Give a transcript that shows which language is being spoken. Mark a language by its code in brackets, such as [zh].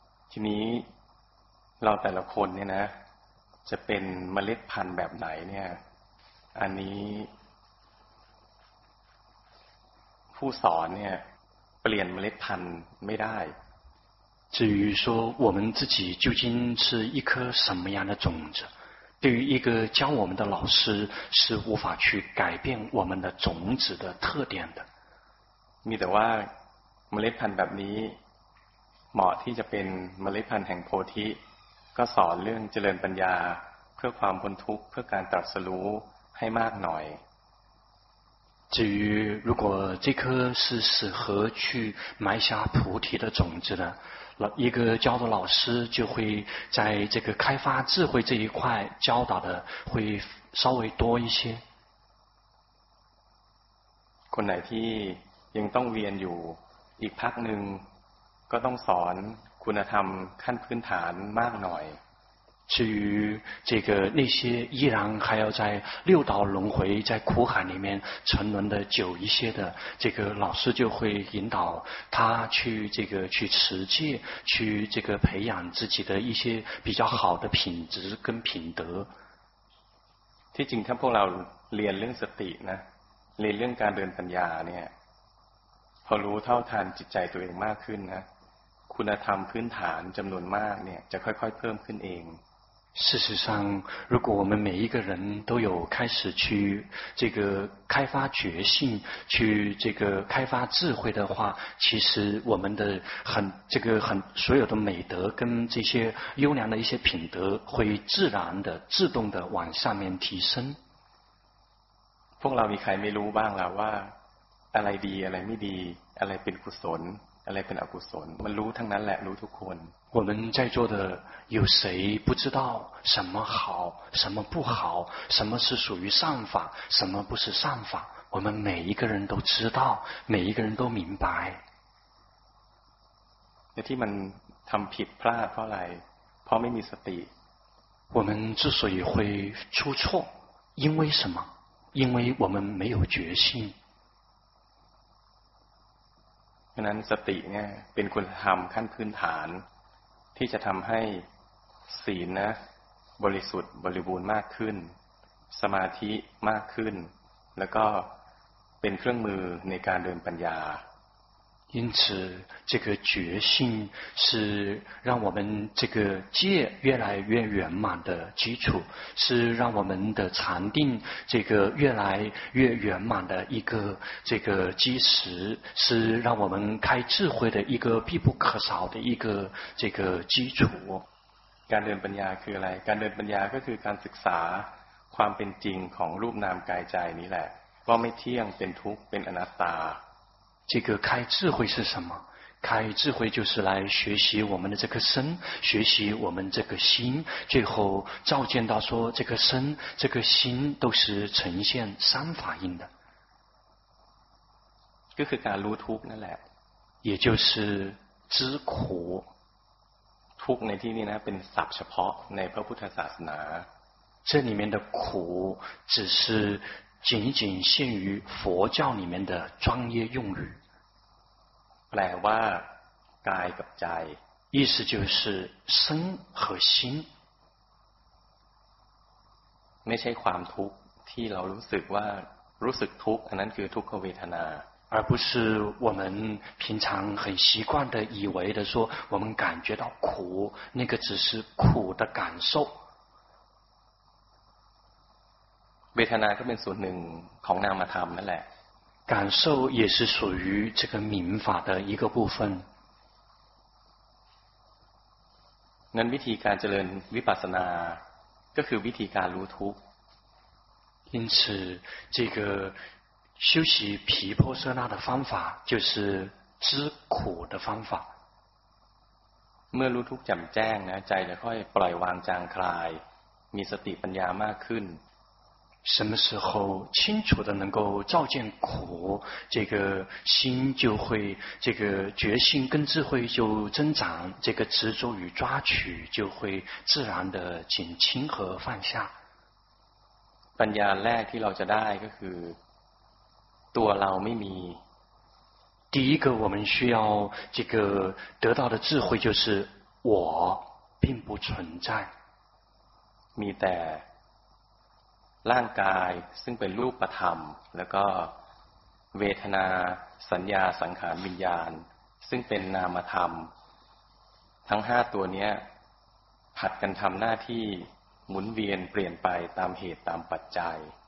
[th] ทีนี้เราแต่ละคนเนี่ยนะจะเป็นเมล็ดพันธุ์แบบไหนเนี่ยอันนี้ผู้สอนเนี่ยเปลี่ยนเมล็ดพันธุ์ไม่ได้ [zh] 至于说我们自己究竟是一颗什么样的种子对于一个教我们的老师是无法去改变我们的种子的特点的 [th] มีแต่ว่าเมล็ดพันธุ์แบบนี้เหมาะที่จะเป็นเมล็ดพันธุ์แห่งโพธิก็สอนเรื่องเจริญปัญญาเพื่อความพ้นทุกข์เพื่อการตรัสรู้ให้มากหน่อย [zh] 至于如果这颗是适合去埋下菩提的种子的一个教导老师就会在这个开发智慧这一块教导的会稍微多一些 [th] คนไหนที่ยังต้องเวียนอยู่อีกพักนึงก็ต้องสอนคุณธรรมขั้นพื้นฐานมากหน่อย [zh] 至于这个那些依然还要在六道轮回在苦海里面沉沦的久一些的这个老师就会引导他去这个去持戒去这个培养自己的一些比较好的品质跟品德 [th] ที่จริงถ้าพวกเราเรียนเรื่องสตินะเรียนเรื่องการเดินปัญญาเนี่ยพอรู้เท่าทันจิตใจตัวเองมากขึ้นนะคุณธรรมพื้นฐานจำนวนมากเนี่ยจะค่อยๆเพิ่มขึ้นเอง [zh] 事实上，如果我们每一个人都有开始去这个开发觉性，去这个开发智慧的话，其实我们的所有的美德跟这些优良的一些品德，会自然的、自动的往上面提升。 [th] พวกเรามีใครไม่รู้บ้างล่ะว่าอะไรดีอะไรไม่ดีอะไรเป็นกุศลอะไรเป็นอกุศลมันรู้ทั้งนั้นแหละรู้ทุกคน [zh] 我们在座的有谁不知道什么好什么不好什么是属于善法什么不是善法我们每一个人都知道每一个人都明白 [th] แต่ที่มันทำผิดพลาดเพราะอะไรเพราะไม่มีสติ [zh] 我们之所以会出错因为什么因为我们没有决心 [th] เพราะนั้นสติเนี่ยเป็นคุณธรรมขั้นพื้นฐานที่จะทำให้ศีลนะบริสุทธิ์บริบูรณ์มากขึ้นสมาธิมากขึ้นแล้วก็เป็นเครื่องมือในการเดินปัญญา [zh] 因此这个觉性是让我们这个戒越来越圆满的基础是让我们的禅定这个越来越圆满的一个这个基石是让我们开智慧的一个必不可少的一个这个基础 [th] การเดินปัญญาคืออะไรการเดินปัญญาก็คือการศึกษาความเป็นจริงของรูปนามกายใจนี้แหละว่าไม่เที่ยงเป็นทุกข์เป็นอนัตตา [zh] 这个开智慧是什么？开智慧就是来学习我们的这个身，学习我们这个心，最后照见到说这个身、这个心都是呈现三法印的。就是 [th] การรู้ทุกข์นั่นแหละ， [zh] 也就是知苦。 [th] ทุกข์ในที่นี้นะเป็นศัพท์เฉพาะในพระพุทธศาสนา。 [zh] 这里面的苦只是。仅仅限于佛教里面的专业用语 [th] แปลว่ากายกับใจ [zh] 意思就是身和心 [th] ไม่ใช่ความทุกข์ที่เรารู้สึกว่ารู้สึกทุกข์อันนั้นคือทุกขเวทนา [zh] 而不是我们平常很习惯的以为的说我们感觉到苦那个只是苦的感受 [th] เวทนาก็เป็นส่วนหนึ่งของนามธรรมนั่นแหละ [zh] 感受也是属于这个明法的一个部分 [th] นั้นวิธีการเจริญวิปัสสนาก็คือวิธีการรู้ทุกข์ [zh] 因此这个修习毗婆舍那的方法就是知苦的方法 [th] เมื่อรู้ทุกข์แจ่มแจ้งนะใจจะค่อยปล่อยวางจางคลายมีสติปัญญามากขึ้น [zh] 什么时候清楚的能够照见苦，这个心就会，这个觉性跟智慧就增长，这个执着与抓取就会自然的减轻和放下。 [th] ปัญญาแรกที่เราจะได้ก็คือตัวเราไม่มี。 [zh] 第一个我们需要这个得到的智慧就是我并不存在。 [th] มีแต่ร่างกายซึ่งเป็นรูปธรรมแล้วก็เวทนาสัญญาสังขารวิญญาณซึ่งเป็นนามธรรมทั้งห้าตัวนี้ผัดกันทำหน้าที่หมุนเวียนเปลี่ยนไปตามเหตุตามปัจจัย